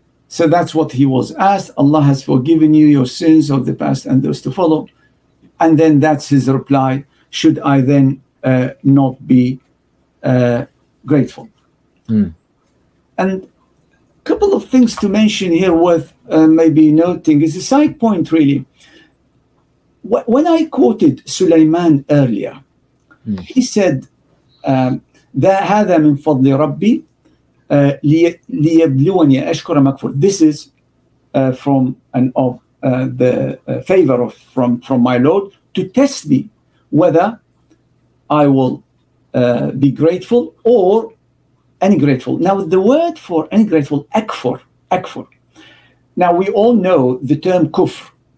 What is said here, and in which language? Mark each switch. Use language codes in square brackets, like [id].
[en] So that's what he was asked. Allah has forgiven you your sins of the past and those to follow. And then that's his reply. Should I then not be grateful? And a couple of things to mention here worth maybe noting is a side point, really. When I quoted Sulaiman earlier, he said, [ar] هذا من فضل ربي ليبلوني أشكر أم أكفر. [en] This is from and of the favor of from my Lord, to test me whether I will be grateful or ungrateful. Now, the word for ungrateful, akfur. Now, we all know the term kufr.